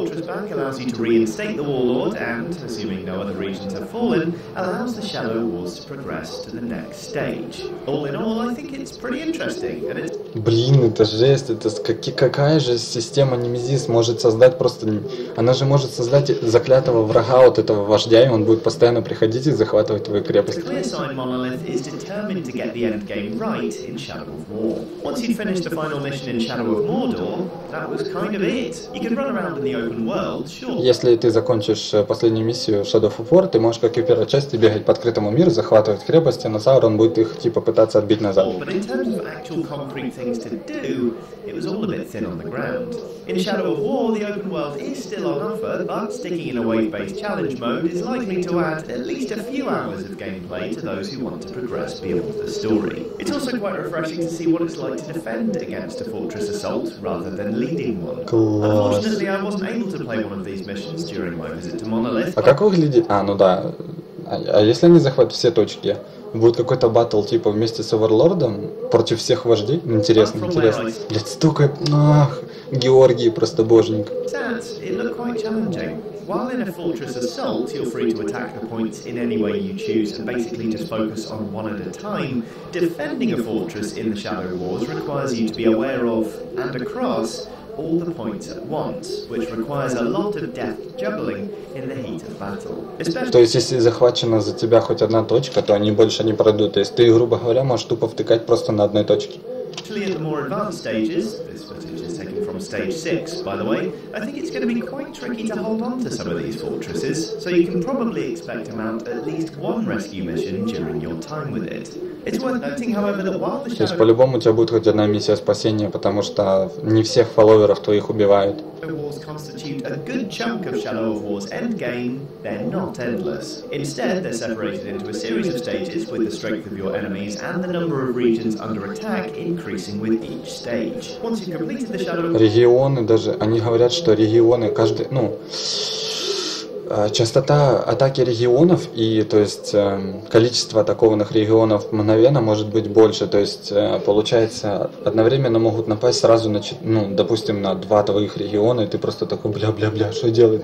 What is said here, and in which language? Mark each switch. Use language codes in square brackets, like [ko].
[en] Allows you to reinstate the warlord, and assuming no other regions have fallen, allows the Shadow Wars to progress to the next stage. All in all, I think it's pretty interesting, and it's. [ru] Блин, это жесть, это какая же система Немезис может создать просто... Она же может создать заклятого врага от этого вождя, и он будет постоянно приходить и захватывать твою крепость. [en] The Clearside Monolith is determined to get the endgame right in Shadow of War. Once you've finished the final mission in Shadow of Mordor, that was kind of it. You can run around in the open world, sure. [ru] Если ты закончишь последнюю миссию Shadow of War, ты можешь, как и в первой части, бегать по открытому миру, захватывать крепости, но Саурон будет их, типа, пытаться отбить назад. [en] But in terms of actual concrete things to do, it was all a bit thin on the ground. In Shadow of War, the open world is still on offer, but sticking in a wave-based challenge mode is likely to add at least a few hours of gameplay to those who want to progress beyond the story. It's also quite refreshing to see what it's like to defend against a fortress assault rather than leading one. Unfortunately, I wasn't able to play one of these missions during my visit to Monolith. [ru] А как выглядит? А, ну да. А если они захватят все точки? Будет какой-то батл, типа, вместе с Оверлордом против всех вождей? Интересно, интересно. Блядь, столько... Ах, Георгий просто боженек. [en] While in a fortress assault, you're free to attack the points in any way you choose and basically just focus on one at a time, defending a fortress in the Shadow Wars requires you to be aware of and across all the points at once, which requires a lot of deft juggling in the heat of battle. [ru] То есть, если захвачена за тебя хоть одна точка, то они больше не пройдут. То есть, ты, грубо говоря, можешь тупо втыкать просто на одной точке. [en] Actually, at the more advanced stages, this footage is taken from stage 6, by the way, I think it's going to be quite tricky to hold on to some of these fortresses, so you can probably expect to mount at least one rescue mission during your time with it. It's worth noting, however, that while the Shadow... [ru] То есть, по-любому, у тебя будет хоть одна миссия спасения, потому что не всех фолловеров твоих убивают. [en] ...Shadow Wars constitute a good chunk of Shadow of War's endgame, they're not endless. Instead, they're separated into a series of stages with the strength of your enemies and the number of regions under attack increasing with each stage. Once you've completed the Shadow... [ru] Регионы даже... Они говорят, что регионы каждый... Ну... Частота атаки регионов и, то есть, количество атакованных регионов мгновенно может быть больше. То есть, получается, одновременно могут напасть сразу на, ну, допустим, на два твоих региона, и ты просто такой, бля-бля-бля, что делать?